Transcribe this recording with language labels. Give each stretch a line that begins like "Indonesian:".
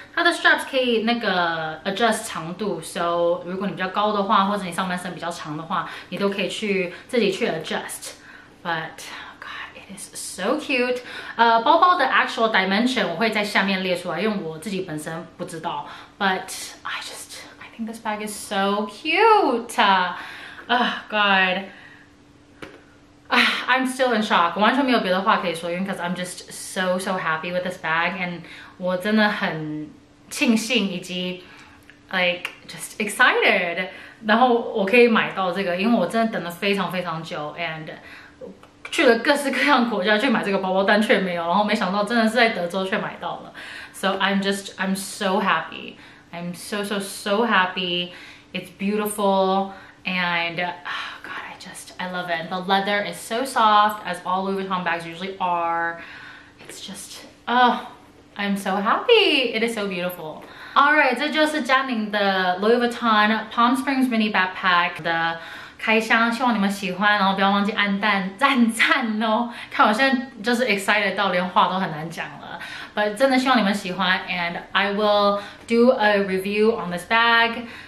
Chinese: 它的 straps 可以那个 adjust 长度， so 如果你比较高的话，或者你上半身比较长的话，你都可以去自己去 adjust。
English: But God, it is so cute。
Chinese: 包包的 actual dimension 我会在下面列出来，因为我自己本身不知道。
English: But I think this bag is so cute。 God。 I'm still in shock.
Chinese: 我完全没有别的话可以说，因为
English: because I'm just so happy with this bag, and
Chinese: 我真的很庆幸以及
English: like just excited.
Chinese: 然后我可以买到这个，因为我真的等了非常非常久 ，and 去了各式各样国家去买这个包包，但却没有。然后没想到真的是在德州却买到了。
English: So I'm so happy. I'm so happy. It's beautiful and. I love it. The leather is so soft, as all Louis Vuitton bags usually are. It's just, I'm so happy. It is so beautiful.
Chinese: All right, 这就是佳宁的 Louis Vuitton Palm Springs Mini Backpack 的开箱，希望你们喜欢，然后不要忘记按赞赞赞哦。看我现在就是 excited 到连话都很难讲了。
English: But
Chinese: 真的希望你们喜欢
English: ，and I will do a review on this bag.